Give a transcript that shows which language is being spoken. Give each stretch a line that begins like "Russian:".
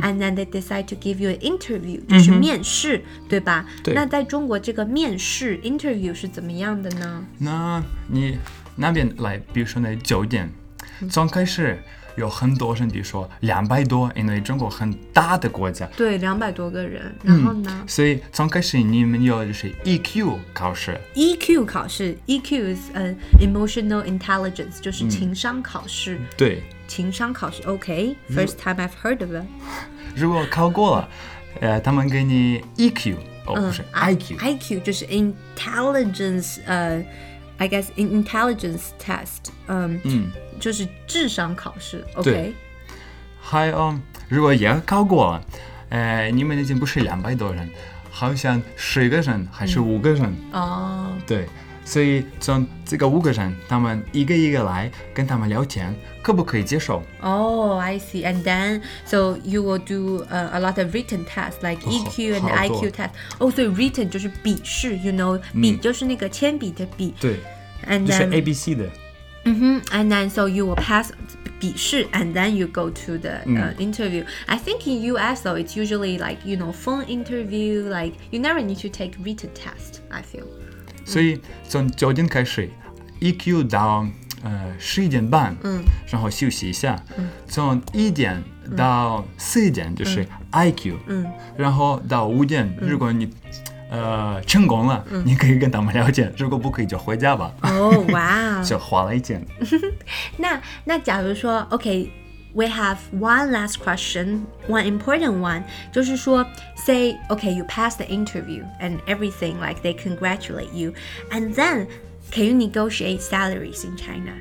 English: and then they decide to give you an interview,
Chinese: 就是面试，嗯、对吧？对。那在中国这个面试 interview 是怎么样的呢？那你那边来，比如说那酒店，刚开始。有很多人比如说200多，因为中国很大的国家，对，200多个人，然后呢、嗯、所以从开始你们有就是 EQ 考试，
English: EQ 考试， EQ is an emotional intelligence，
Chinese: 就是情商考试、嗯、对，情商考试，
English: OK， first time I've heard of it。
Chinese: 如果考过了、他们给你 EQ、哦、不是 IQ、
English: IQ 就是 intelligence、I guess intelligence test、嗯、
Chinese: 就是智商考试。对、
English: okay?
Chinese: 还有、如果也考过了、你们已经不是200多人，好像10个人还是5个人、嗯、对，所以从这个5个人他们一个一个来跟他们聊天，可不可以接受。
English: 哦、oh, I see. And then so you will do、a lot of written tests like EQ and IQ test.
Chinese: 哦，所以 written 就是笔试，
English: you know、嗯、
Chinese: 笔就是那个铅笔的笔，对，
English: and then,
Chinese: 就是 ABC 的、
English: mm-hmm, and then so you will pass 笔试 and then you go to the、interview. I think in US though it's usually like you know phone interview, like you never need to take written test, I feel.
Chinese: 所以从酒店开始 EQ 到11点半、嗯、然后休息一下、嗯、从1点到4点就是 IQ、嗯、然后到5点、嗯、如果你、成功了、嗯、你可以跟他们聊天，如果不可以就回家吧。哦，哇，就花了一点。那假如说
English: OK we have one last question, one important one,
Chinese: 就是说
English: say OK you pass the interview and everything, like they congratulate you, and thenCan you negotiate salaries in China?